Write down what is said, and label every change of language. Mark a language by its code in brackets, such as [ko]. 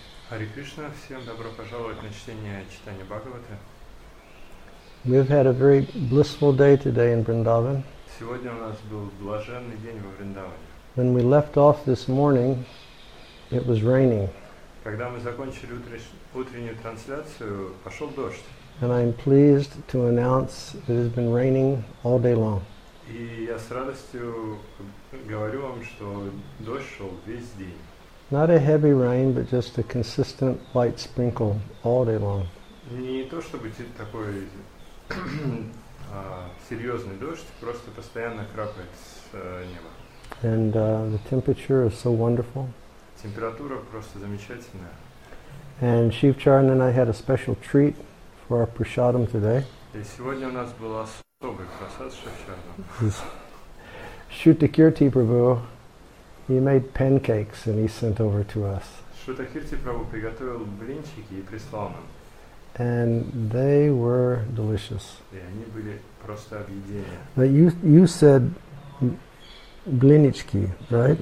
[ru] Hare Krishna, всем добро пожаловать на чтение Чайтанья Бхагавата. [en] We've had a very blissful day today in Vrindavan. [ru] Сегодня у нас был блаженный день во Вриндаване. [en] When we left off this morning, it was raining. [ru] Когда мы закончили утреннюю трансляцию, пошел дождь. [en] And I'm pleased to announce it has been raining all day long. [ru] И я с радостью говорю вам, что дождь шел весь день. [en] Not a heavy rain, but just a consistent light sprinkle all day long. [ru] Не то чтобы такой серьезный дождь, просто постоянно крапает с неба. [en] And the temperature is so wonderful. [ru] Температура просто замечательная. [en] And Shiv Charan and I had a special treat for our prasadam today. [ru] И сегодня у нас была особый просад с Шив Чараном. [en] Shrutakirti Prabhu, he made pancakes and he sent over to us. [ru] Shrutakirti Prabhu приготовил блинчики и прислал нам. [en] And they were delicious. [ru] И они были просто объедение. [en] But you said блинички, right?